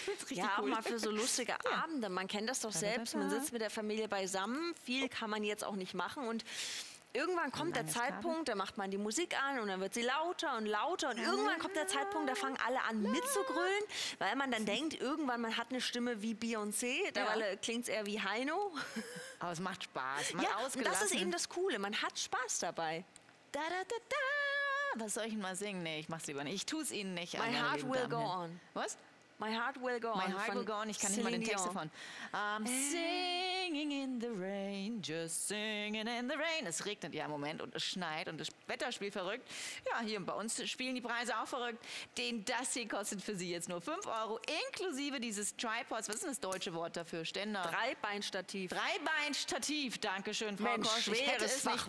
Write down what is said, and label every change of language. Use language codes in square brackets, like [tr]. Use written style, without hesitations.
[de] Ja, cool. Auch mal für so lustige Abende, man kennt das doch selbst, man sitzt mit der Familie beisammen, viel kann man jetzt auch nicht machen und irgendwann kommt der Zeitpunkt, da macht man die Musik an und dann wird sie lauter und lauter und irgendwann kommt der Zeitpunkt, da fangen alle an mitzugrölen, weil man dann denkt, irgendwann, man hat eine Stimme wie Beyoncé, da klingt es eher wie Heino. Aber es macht Spaß, man ausgelassen. Und das ist eben das Coole, man hat Spaß dabei. Da, da, da, da. Was soll ich denn mal singen? Nee, ich mach's lieber nicht, ich tu's Ihnen nicht. [en] My heart will go on. [de] Was? [en] My heart will go on. My heart will go on. [de] Ich kann nicht mal den Text davon. [en] I'm singing in the rain, just singing in the rain. [de] Es regnet im Moment und es schneit und das Wetter spielt verrückt. Ja, hier bei uns spielen die Preise auch verrückt. Den das hier kostet für Sie jetzt nur 5 Euro, inklusive dieses Tripods. Was ist denn das deutsche Wort dafür? Ständer. Dreibeinstativ. Dreibeinstativ. Dankeschön, Frau Mensch, Kosch. Ich hätte es Fachwort.